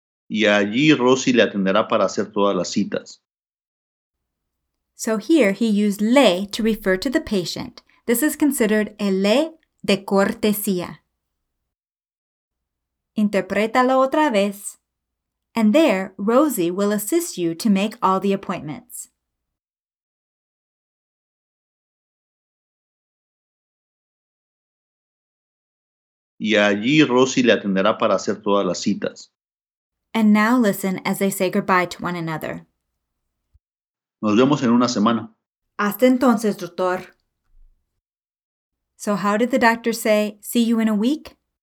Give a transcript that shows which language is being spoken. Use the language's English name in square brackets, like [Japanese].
[Spanish] Y allí Rosie le atenderá para hacer todas las citas. [English] So here he used le to refer to the patient. This is considered a le de cortesía. [Spanish] Interprétalo otra vez. [English] And there, Rosie will assist you to make all the appointments. [Spanish] Y allí Rosie le atenderá para hacer todas las citas. [English] And now listen as they say goodbye to one another. [Spanish] Nos vemos en una semana. Hasta entonces, doctor. [English] So how did the doctor say, see you in a week?